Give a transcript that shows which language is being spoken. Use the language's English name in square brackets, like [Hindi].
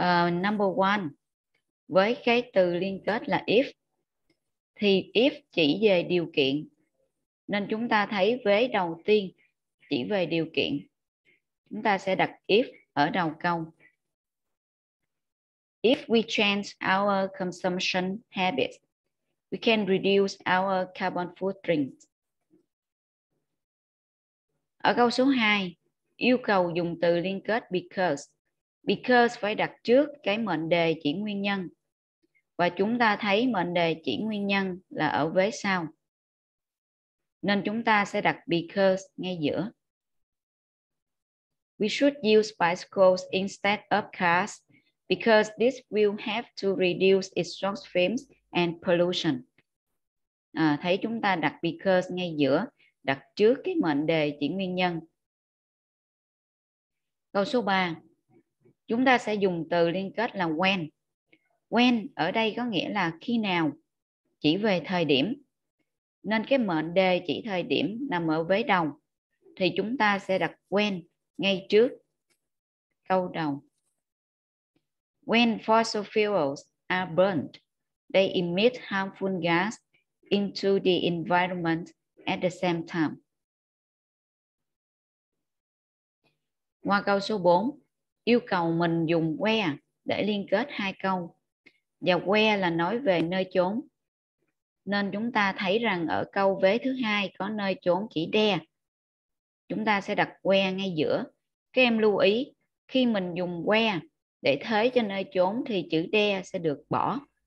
[English] Number one, [Vietnamese] với cái từ liên kết là if, thì if chỉ về điều kiện, nên chúng ta thấy vế đầu tiên chỉ về điều kiện. Chúng ta sẽ đặt if ở đầu câu. [English] If we change our consumption habits, we can reduce our carbon footprint. [Vietnamese] Ở câu số 2, yêu cầu dùng từ liên kết because. Because phải đặt trước cái mệnh đề chỉ nguyên nhân. Và chúng ta thấy mệnh đề chỉ nguyên nhân là ở vế sau. Nên chúng ta sẽ đặt because ngay giữa. [English] We should use bicycles instead of cars, because this will have to reduce its exhaust fumes and pollution. [Vietnamese] Thấy chúng ta đặt because ngay giữa, đặt trước cái mệnh đề chỉ nguyên nhân. Câu số 3, chúng ta sẽ dùng từ liên kết là when. When ở đây có nghĩa là khi nào, chỉ về thời điểm. Nên cái mệnh đề chỉ thời điểm nằm ở vế đầu, thì chúng ta sẽ đặt when ngay trước câu đầu. [English] When fossil fuels are burned, they emit harmful gas into the environment at the same time. [Vietnamese] Qua câu số 4, yêu cầu mình dùng where để liên kết hai câu. Và where là nói về nơi chốn. Nên chúng ta thấy rằng ở câu vế thứ hai có nơi chốn chỉ đe. Chúng ta sẽ đặt where ngay giữa. Các em lưu ý, khi mình dùng where để thế cho nơi chốn thì chữ đe sẽ được bỏ.